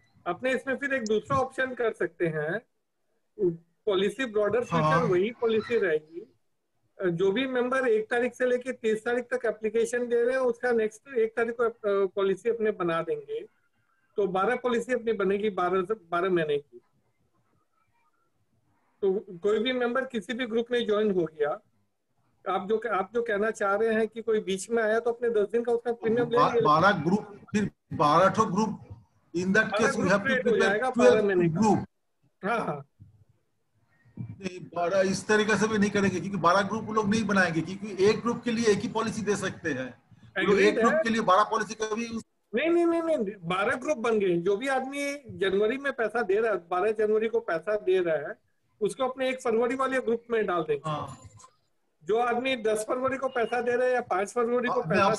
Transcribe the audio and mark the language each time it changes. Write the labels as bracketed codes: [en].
[hi] अपने इसमें फिर एक दूसरा ऑप्शन कर सकते हैं, पॉलिसी ब्रॉडर फ्यूचर वही पॉलिसी रहेगी, जो भी मेंबर 1 तारीख से लेके 30 तारीख तक एप्लीकेशन दे रहे हैं उसका नेक्स्ट 1 तारीख को पॉलिसी अपने बना देंगे, तो 12 पॉलिसी अपनी बनेगी 12 महीने की, तो कोई भी मेंबर किसी भी ग्रुप में ज्वाइन हो गया, आप जो कहना चाह रहे हैं कि कोई बीच में आया तो अपने 10 दिन का उसका प्रीमियम ले, 12 ग्रुप फिर 12 group [en] In that case, we have to prepare 12 group. [hi] इस तरीके से भी नहीं करेंगे क्योंकि 12 ग्रुप लोग नहीं बनाएंगे, क्योंकि एक ग्रुप के लिए एक ही पॉलिसी दे सकते हैं, एक ग्रुप के लिए 12 पॉलिसी का भी नहीं 12 ग्रुप बन गए, जो भी आदमी जनवरी में पैसा दे रहा है 12 जनवरी को पैसा दे रहा है उसको अपने 1 फरवरी वाले ग्रुप में डाल देंगे, जो आदमी 10 फरवरी को पैसा दे रहा है या 5 फरवरी को